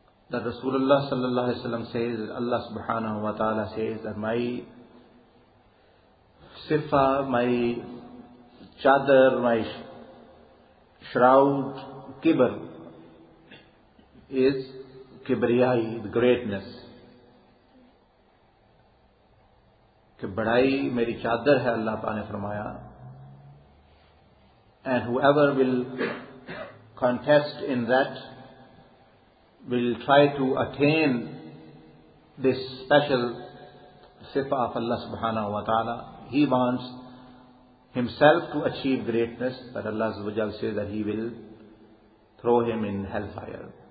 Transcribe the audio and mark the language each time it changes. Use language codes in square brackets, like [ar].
[en] That Rasulullah sallallahu alayhi wa sallam says, Allah subhanahu wa ta'ala says that my sifa, my chadar, my shroud, kibr, is kibriyai, the greatness. [ur] کہ بڑائی میری چادر ہے, اللہ تعالیٰ نے فرمایا. [en] And whoever will contest in that will try to attain this special sifa of Allah subhanahu wa ta'ala. He wants himself to achieve greatness, but Allah azza wa jal says that he will throw him in hellfire.